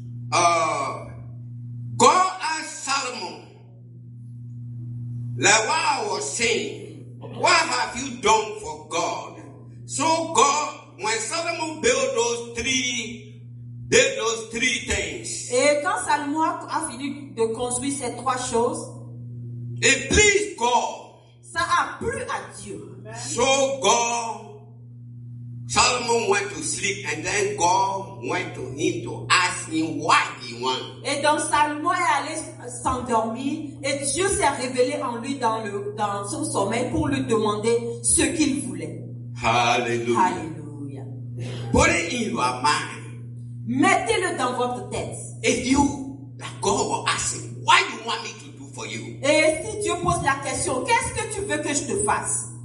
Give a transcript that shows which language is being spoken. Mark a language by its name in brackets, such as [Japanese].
[English] God asked Solomon, like what I was saying, what have you done for God? So God, when Solomon built those three things. [French] Et quand Salomon a fini de construire ces trois choses, [English] it pleased God. [French] Ça a plu à Dieu. [English] So God, Solomon went to sleep, and then God went to him to ask him what he wanted. [French] Et donc Salomon est allé s'endormir, et Dieu s'est révélé en lui dans son sommeil pour lui demander ce qu'il voulait. Hallelujah. Hallelujah. [English] Put it in your mind. [French] Mettez-le dans votre tête. [English] If you, God will ask him, what do you want me to do for you? [French] Et si Dieu pose la question, qu'est-ce que tu veux que je te fasse?